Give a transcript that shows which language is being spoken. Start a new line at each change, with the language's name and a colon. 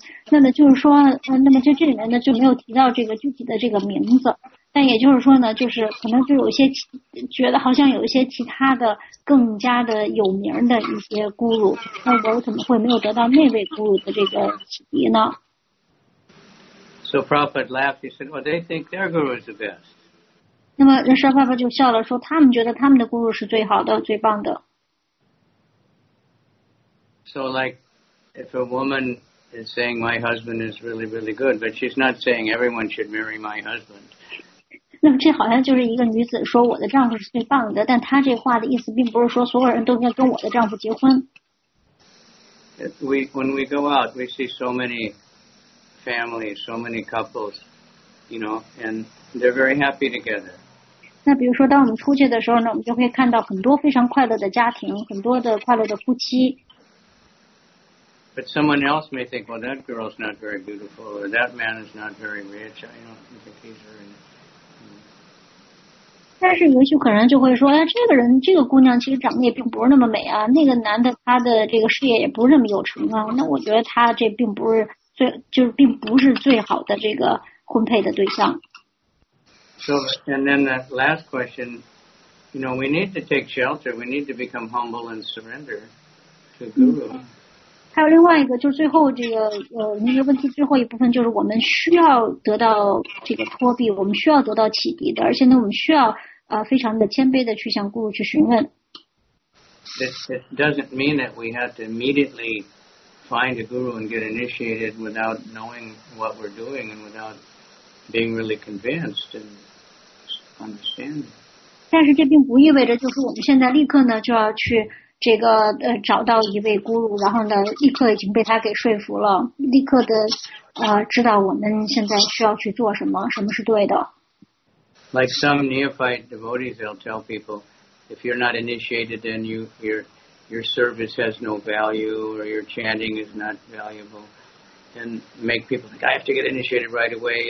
Chinese: 那么就是说，那么就这里面呢就没有提到这个具体的这个名字，但也就是说呢，就是可能就有一些觉得好像有一些其他的更加的有名的一些咕噜，那我怎么会没有得到那位咕噜的这个启迪呢？
English: So Prabhupada laughed. He said, "Well, they think their guru is the best."
Chinese: 那么人生爸爸就笑了，说他们觉得他们的guru是最好的、最棒的。
English: So like, if a woman is saying my husband is really, really good, but she's not saying everyone should marry my husband.
Chinese: 那么这好像就是一个女子说我的丈夫是最棒的，但她这话的意思并不是说所有人都应该跟我的丈夫结婚。
English: When we go out, we see so many families, so many couples, you know, and they're very happy together.
Chinese: 那比如说当我们出去的时候呢，我们就会看到很多非常快乐的家庭，很多的快乐的夫妻。
English: But someone else may think, well, that girl's not very beautiful, or that man is not very rich, I don't think he's very nice.
Chinese: 但是也许可能就会说，哎，这个人，这个姑娘其实长得也并不是那么美啊。那个男的，他的这个事业也不是那么有成啊。那我觉得他这并不是最，就是并不是最好的这个婚配的对象。
English: So and then the last question, you know, we need to take shelter. We need to become humble and surrender to Guru.
Chinese: 还有另外一个，就最后这个那个问题最后一部分，就是我们需要得到这个托庇，我们需要得到启迪的，而且呢，我们需要非常的谦卑的去向 Guru 去询问。
English: This doesn't mean that we have to immediately find a Guru and get initiated without knowing what we're doing and without being really convinced and understanding.
Chinese: 但是这并不意味着就是我们现在立刻呢就要去这个找到一位 Guru， 然后呢立刻已经被他给说服了，立刻的知道我们现在需要去做什么，什么是对的。
English: Like some neophyte devotees, they'll tell people, if you're not initiated, then your service has no value or your chanting is not valuable. And make people think, I have to get initiated right away.